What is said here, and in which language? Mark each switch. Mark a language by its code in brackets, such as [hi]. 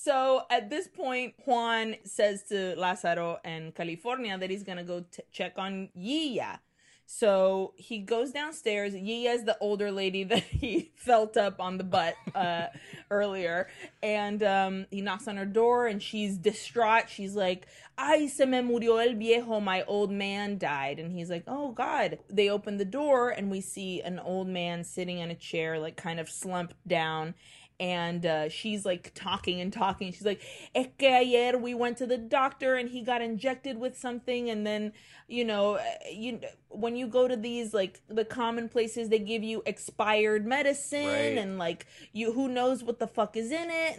[en] So at this point, Juan says to Lázaro and California that he's gonna go check on Yiya. So he goes downstairs. Yiya's the older lady that he felt up on the butt earlier, and he knocks on her door, and she's distraught. [es] She's like, "Ay, se me murió el viejo. [en] My old man died." And he's like, "Oh God." They open the door, and we see an old man sitting in a chair, like kind of slumped down. And she's like talking and talking. She's like, [es] "Es que ayer [en] we went to the doctor and he got injected with something." And then, when you go to these like the common places, they give you expired medicine and like you who knows what the fuck is in it.